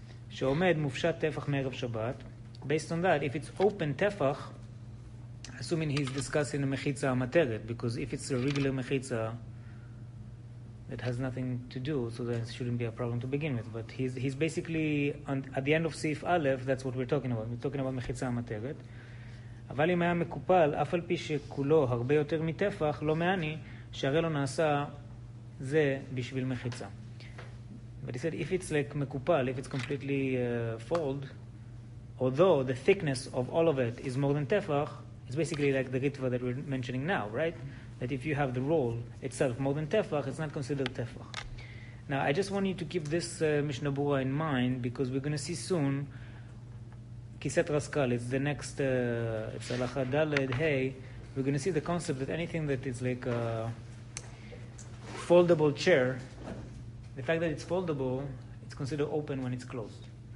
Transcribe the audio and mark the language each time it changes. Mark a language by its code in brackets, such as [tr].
[he] שעומד מופשט תפח מערב שבת. [en] Based on that, if it's open תפח, assuming he's discussing the מחיצה המטרת, because if it's a regular מחיצה, it has nothing to do, so there shouldn't be a problem to begin with. But he's basically, at the end of סעיף א', that's what we're talking about. We're talking about מחיצה המטרת. [he] אבל אם היה מקופל, אף על פי שכולו הרבה יותר מתפח, לא מעני, שהרי לא נעשה זה בשביל מחיצה. [en] But he said, if it's like mekupal, if it's completely fold, although the thickness of all of it is more than tefach, it's basically like the ritva that we're mentioning now, right? That if you have the roll itself more than tefach, it's not considered tefach. Now, I just want you to keep this Mishnah Brura in mind, because we're going to see soon, kiset raskal, it's the next, it's halacha daled, hey, we're going to see the concept that anything that is like a foldable chair, the fact that it's foldable, it's considered open when it's closed.